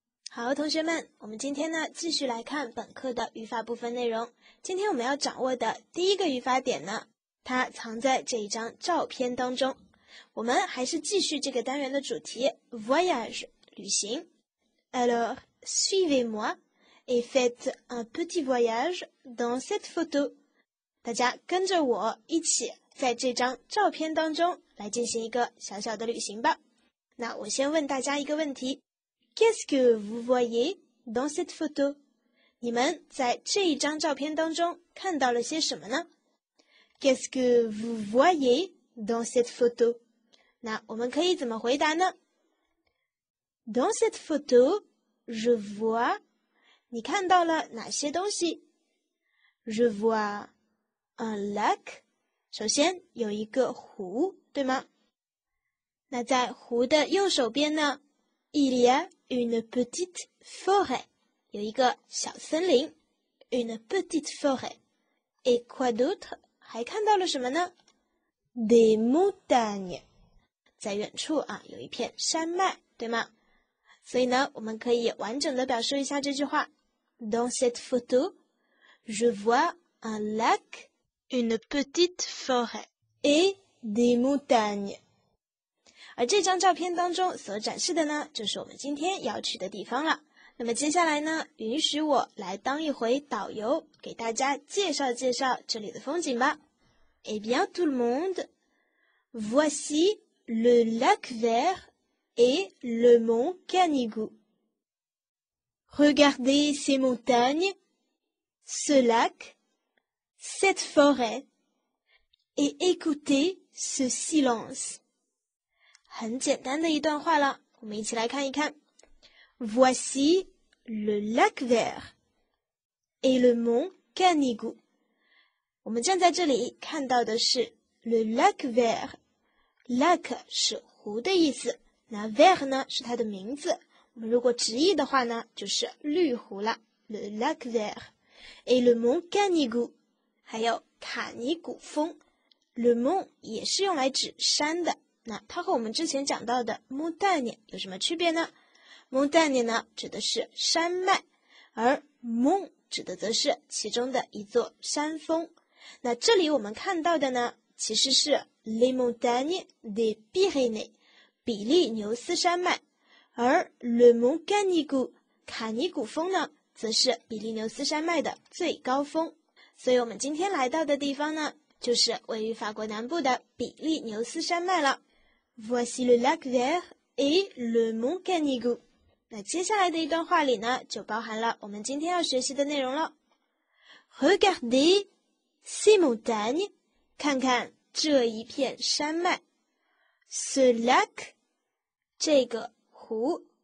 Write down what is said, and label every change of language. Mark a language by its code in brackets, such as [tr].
[zh] 好，同学们，我们今天呢继续来看本课的语法部分内容。今天我们要掌握的第一个语法点呢，它藏在这一张照片当中。我们还是继续这个单元的主题 ,voyage, 旅行。 [fr] Alors, suivez-moi et faites un petit voyage dans cette photo. [zh] 大家跟着我一起在这张照片当中来进行一个小小的旅行吧。那我先问大家一个问题。 [fr] Qu'est-ce que vous voyez dans cette photo? [zh] 你们在这一张照片当中看到了些什么呢？ [fr] Qu'est-ce que vous voyez dans cette photo? [zh] 那我们可以怎么回答呢？ [fr] Dans cette photo, je vois... [zh] 你看到了哪些东西？ [fr] Je vois un lac. [zh] 首先有一个湖，对吗？那在湖的右手边呢？ [fr] Il y a une petite forêt, [zh] 有一个小森林。 [fr] Une petite forêt. Et quoi d'autre? [zh] 还看到了什么呢？ [fr] Des montagnes. [zh] 在远处啊，有一片山脉，对吗？所以呢，我们可以完整的表述一下这句话。 [fr] Dans cette photo, je vois un lac, une petite forêt et des montagnes. [zh] 而这张照片当中所展示的呢，就是我们今天要去的地方了。那么接下来呢，允许我来当一回导游，给大家介绍介绍这里的风景吧。 [fr] Eh bien tout le monde, voici le lac vert et le mont Canigou. Regardez ces montagnes, ce lac, cette forêt, et écoutez ce silence. [zh] 很简单的一段话了，我们一起来看一看。 [fr] Voici le lac vert et le mont Canigou. [zh] 我们站在这里看到的是 le lac vert. Lac 是湖的意思，那 vert 呢是它的名字。我们如果直译的话呢，就是绿湖了。 [fr] Le lac vert et le mont Canigou. [zh] 还有卡尼古峰。 Le mont 也是用来指山的。那它和我们之前讲到的 montagne 有什么区别呢？ montagne 呢指的是山脉，而 mont 指的则是其中的一座山峰。那这里我们看到的呢，其实是 les montagnes des Pyrénées 比利牛斯山脉，而 le mont Canigou 卡尼古峰呢，则是比利牛斯山脉的最高峰。所以我们今天来到的地方呢，就是位于法国南部的比利牛斯山脉了。 [fr] Voici le lac vert et le mont Canigou. [zh] 那接下来的一段话里呢，就包含了我们今天要学习的内容了。 [fr] Regardez ces montagnes, [zh] 看看这一片山脉。 [fr] Ce lac, [zh] 这个湖。